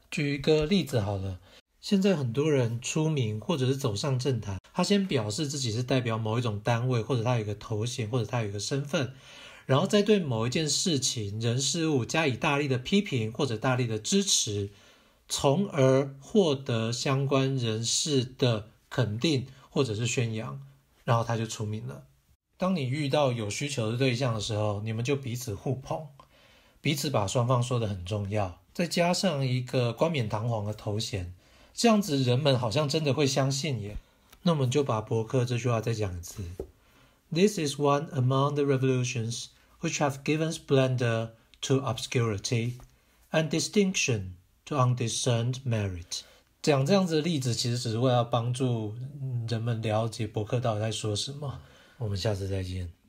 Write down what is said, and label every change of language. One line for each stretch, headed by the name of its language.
Chinese: 举一个例子好了，现在很多人出名或者是走上政坛，他先表示自己是代表某一种单位，或者他有一个头衔，或者他有一个身份，然后再对某一件事情、人事物加以大力的批评或者大力的支持，从而获得相关人士的肯定或者是宣扬，然后他就出名了。当你遇到有需求的对象的时候，你们就彼此互捧，彼此把双方说得很重要，再加上一个冠冕堂皇的头衔，这样子人们好像真的会相信耶。那我们就把伯克这句话再讲一次。
English: This is one among the revolutions which have given splendor to obscurity and distinction to undiscerned merit.
Chinese: 讲这样子的例子，其实只是为了帮助人们了解伯克到底在说什么。我们下次再见。